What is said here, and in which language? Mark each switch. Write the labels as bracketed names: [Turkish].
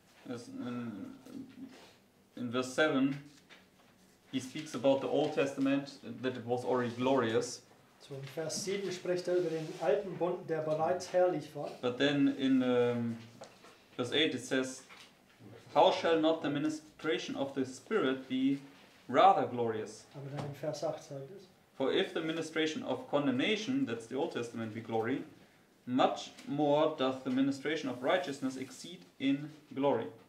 [English] In verse 7, he speaks about the Old Testament, that it was already glorious. [German] So in Vers 7 spricht er über den alten Bund, der bereits herrlich war. [English] But then in verse 8 it says, how shall not the ministration of the Spirit be rather glorious? [German] Aber dann in Vers 8 sagt es, [English] for if the ministration of condemnation, that's the Old Testament, be glory, much more doth the ministration of righteousness exceed in glory.